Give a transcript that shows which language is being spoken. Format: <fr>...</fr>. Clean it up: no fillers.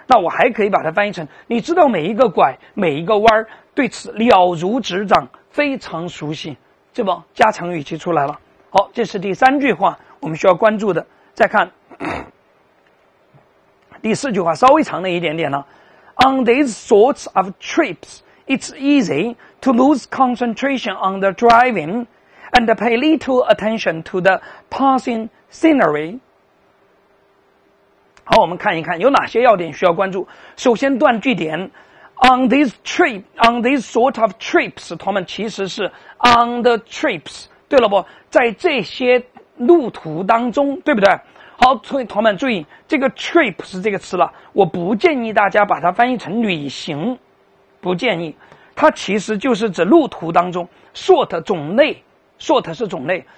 <zh>那我还可以把它翻译成：你知道每一个拐、每一个弯，对此了如指掌，非常熟悉，对吧？加强语气出来了。好，这是第三句话，我们需要关注的。再看第四句话，稍微长了一点点了。</zh> <en>On these sorts of trips, it's easy to lose concentration on the driving and pay little attention to the passing scenery.</en> <zh>好，我们看一看有哪些要点需要关注。首先断句点</zh> <en>on these sort of trips，</en> <zh>同们其实是</zh> <en>on the trips，</en> <zh>对了不，在这些路途当中，对不对？好，同们注意这个 trips 这个词了，我不建议大家把它翻译成旅行，不建议，它其实就是指路途当中 sort 种类， sort 是种类。</zh>